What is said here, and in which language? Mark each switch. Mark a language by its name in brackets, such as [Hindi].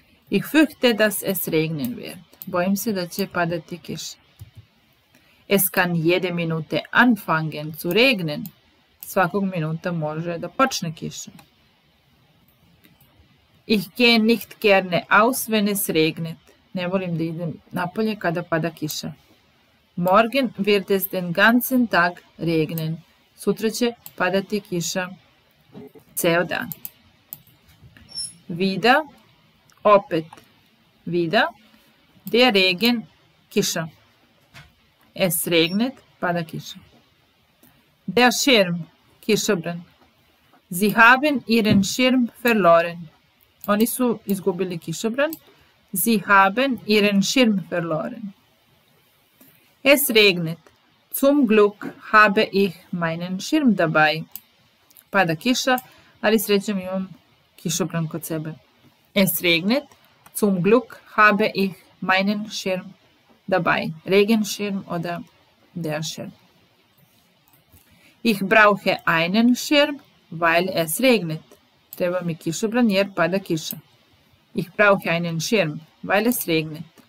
[German] Ich fürchte, dass es regnen wird. [Serbian] Bojim se da će padati kiša. [German] Es kann jede Minute anfangen zu regnen. [Serbian] Svakog minuta može da počne kiša. [German] Ich gehe nicht gerne aus, wenn es regnet. [Serbian] Ne volim da idem napolje kada pada kiša. [German] Morgen wird es den ganzen Tag regnen. [Serbian] Sutra će padati kiša ceo dan. [German] Wieder, opet. Wieder, der Regen, kiša. Es regnet, [Serbian] pada kiša. [German] Der Schirm, kišobran. Sie haben ihren Schirm verloren. [Serbian] Oni su izgubili kišobran. [German] Sie haben ihren Schirm verloren. Es regnet. Zum Glück habe ich meinen Schirm dabei. [Serbian] Pada kiša, ali srećom imam kišobran kod sebe. [German] Es regnet. Zum Glück habe ich meinen Schirm dabei. Regenschirm oder der Schirm. Ich brauche einen Schirm, weil es regnet. [Serbian] Treba mi kišobran jer pada kiša. [German] Ich brauche einen Schirm, weil es regnet.